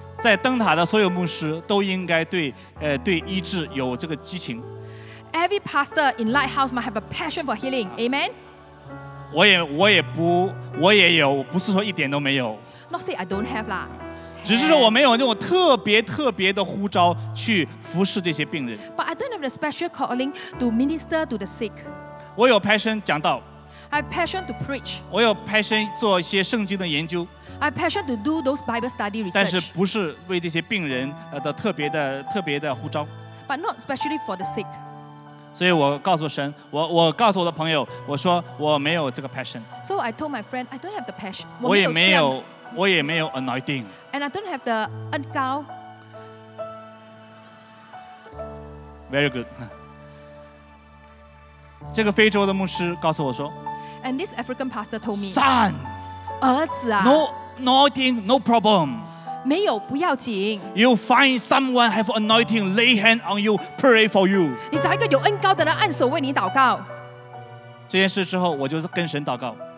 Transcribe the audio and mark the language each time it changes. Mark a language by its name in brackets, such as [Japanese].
[Chinese] 在灯塔的所有牧师都应该 对医治有这个激情。 [English] Every pastor in Lighthouse must have a passion for healing. Amen. [Chinese] 我也有，不是说一点都没有。 [English] Not say I don't have lah. [Chinese] 只是说我没有那种特别特别的呼召去服侍这些病人。 [English] But I don't have a special calling to minister to the sick. [Chinese] 我有 passion 讲道。 [English] I have passion to preach. [Chinese] 我有 passion 做一些圣经的研究。 [English] I have passion to do those Bible study research. [Chinese] 但是不是为这些病人的特别的呼召。 [English] But not especially for the sick. [Chinese] 所以我告诉神，我告诉我的朋友，我说我没有这个 passion. [English] So I told my friend, I don't have the passion. [Chinese] 我也没有 anointing. [English] And I don't have the ungal. Very good. [Chinese] 这个非洲的牧师告诉我说。 [English] And this African pastor told me. Son. [Chinese] 儿子啊。 [English] No. Anointing, no problem. [Chinese] 没有不要紧。 [English] You find someone have anointing, lay hand on you, pray for you. [Chinese] 你找一个有恩膏的人按手为你祷告。这件事之后，我就跟神祷告。